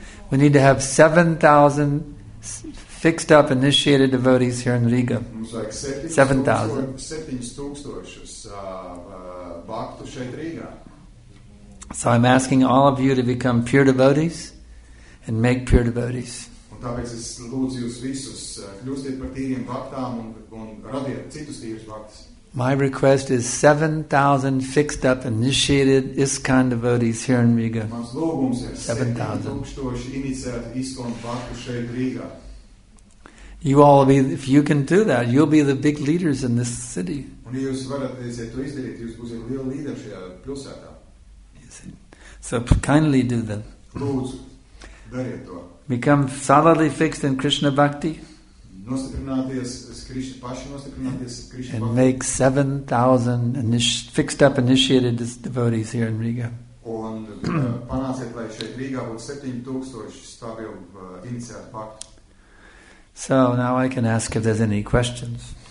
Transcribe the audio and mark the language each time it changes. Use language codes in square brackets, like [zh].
[en] We need to have 7,000 fixed up initiated devotees here in Riga. 7,000. So I'm asking all of you to become pure devotees and make pure devotees. [lv] Un tāpēc es lūdzu jūs visus kļūstiet par tīriem baktām un radiet citus tīrus baktus. [en] My request is 7,000 fixed up initiated ISKCON devotees here in Riga. [lv] Mans lūgums ir 7,000 iniciēti ISKCON baktu šeit Rīgā. [en] You all will be, if you can do that, you'll be the big leaders in this city. [lv] Un jūs varat to izdarīt, jūs būsiet lieli līderi šajā pilsētā. [en] So kindly do that. [lv] Lūdzu, dariet to. [en] Become solidly fixed in Krishna Bhakti. [lv] Nostiprināties Krishna, paši nostiprināties Krishna [en] Bhakti. And make 7,000 fixed up initiated devotees here in Riga. [lv] Un panāciet, lai šeit Rīgā būtu 7,000 stabilu iniciētu bhakti. [en] So now I can ask if there's any questions.